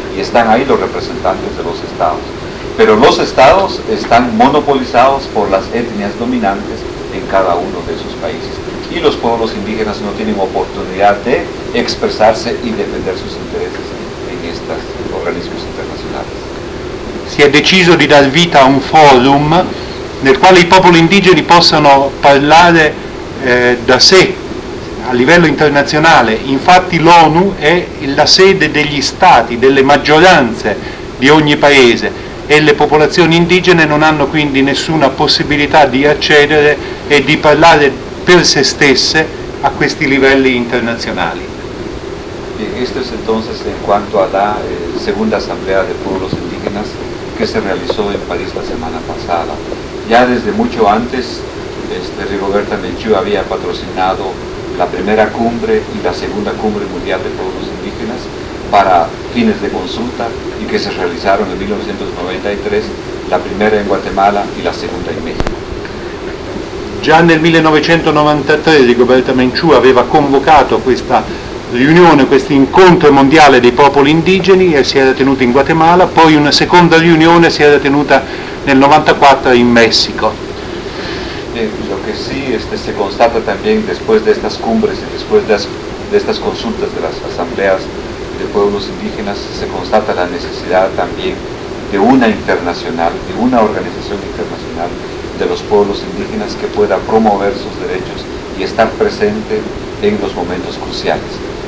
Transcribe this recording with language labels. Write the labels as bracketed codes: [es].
[es] y están ahí los representantes de los estados. Pero los estados están monopolizados por las etnias dominantes en cada uno de esos países. Y los pueblos indígenas no tienen oportunidad de expresarse y defender sus intereses en estos organismos internacionales. [it] Si è deciso di dar vita a un forum nel quale i popoli indigeni possano parlare da sé a livello internazionale. Infatti l'ONU è la sede degli stati, delle maggioranze di ogni paese e le popolazioni indigene non hanno quindi nessuna possibilità di accedere e di parlare per se stesse a questi livelli internazionali. Questo è entonces in quanto alla seconda assemblea dei popoli indigeni che si realizzò in Parigi la settimana passata. [es] Ya desde mucho antes, Rigoberta Menchú había patrocinado la primera cumbre y la segunda cumbre mundial de pueblos indígenas para fines de consulta y que se realizaron en 1993, la primera en Guatemala y la segunda en México. Ya en el 1993 Rigoberta Menchú había convocado esta [it] riunione, questo incontro mondiale dei popoli indigeni e si era tenuto in Guatemala, poi una seconda riunione si era tenuta nel 94 in Messico. Lo che sì, [es] si constata también después de estas cumbres y después de estas consultas de las asambleas de pueblos indígenas, se constata la necesidad también de una internacional, de una organización internacional de los pueblos indígenas que pueda promover sus derechos y estar presente en los momentos cruciales.